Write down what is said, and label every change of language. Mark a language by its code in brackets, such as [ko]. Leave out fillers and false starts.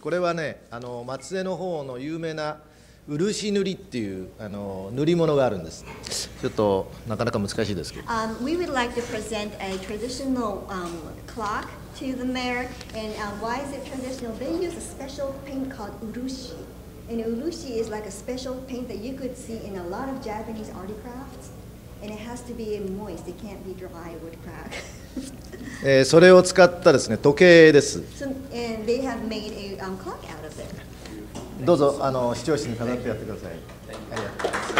[ja] これはね、松江の方の有名な漆塗りっていう塗り物があるんです。ちょっとなかなか難しいですけど。 [en] We would like to present a traditional clock to the mayor. And why is it traditional? They use a special paint called 漆。 And urushi is like a special paint that you could see in a lot of Japanese art crafts. And it has to be moist. It can't be dry, wood crack. [ja] それを使ったですね、時計です。 [en] So, and they have made a clock out of it. [ja] どうぞ、視聴室に飾ってやってください。